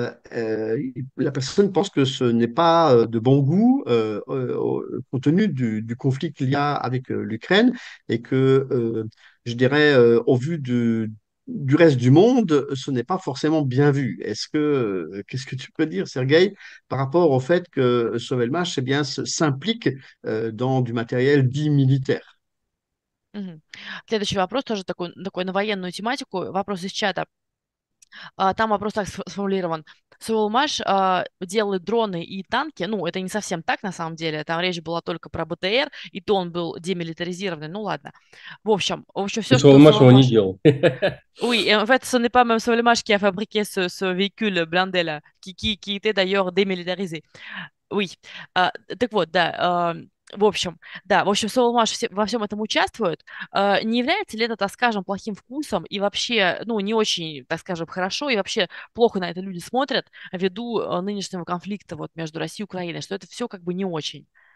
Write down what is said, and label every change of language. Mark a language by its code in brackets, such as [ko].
[fr] La personne pense que ce n'est pas de bon goût compte tenu du conflit qu'il y a avec l'Ukraine et que, je dirais, au vu du reste du monde, ce n'est pas forcément bien vu. Qu'est-ce que tu peux dire, Sergueï, par rapport au fait que Sauvelmash, eh bien, s'implique dans du matériel dit militaire? [ru] Следующий вопрос тоже такой на военную тематику. Вопрос из чата. Там вопрос так сформулирован. Sovelmash делает дроны и танки. Ну, это не совсем так на самом деле. Там речь была только про БТР, и то он был демилитаризированный. Ну, ладно. В общем, И все, что Соломаш его не Sovelmash... делал. [fr] Oui, en fait, ce n'est pas même Sovelmash qui a fabriqué ce véhicule blindé là, qui était d'ailleurs démilitarisé. Oui. [ru] Так вот, да... В общем, Sovelmash во всем этом участвует. Не является ли это, так скажем, плохим вкусом и вообще, ну, не очень, так скажем, хорошо, и вообще плохо на это люди смотрят ввиду нынешнего конфликта вот между Россией и Украиной, что это все как бы не очень.